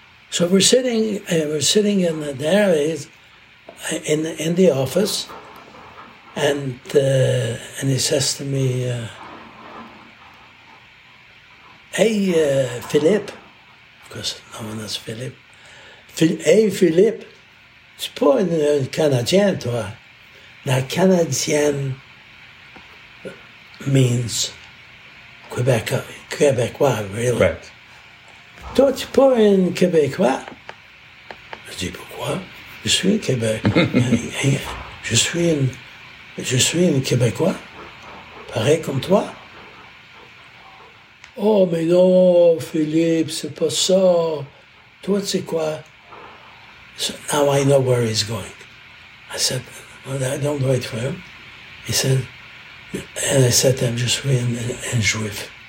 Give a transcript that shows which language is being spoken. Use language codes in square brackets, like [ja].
[en] So we're sitting in the area, in the office, and he says to me, "Hey, Philippe," because no one is Philippe. [fr] "Hey, Philippe, tu pas un Canadien, toi?" [en] Now, Canadien means Quebecois, really. Right. [fr] "Toi, tu pas un Québécois?" I dis, "Pourquoi?" "Je suis en Québec." Je suis un Québécois, pareil comme toi. "Oh, mais non, Philippe, c'est pas ça. Toi, tu sais quoi?" [en] So now I know where he's going. I said, "Well, I don't wait for him." He said, and I said to him, [fr] "Je suis un Juif."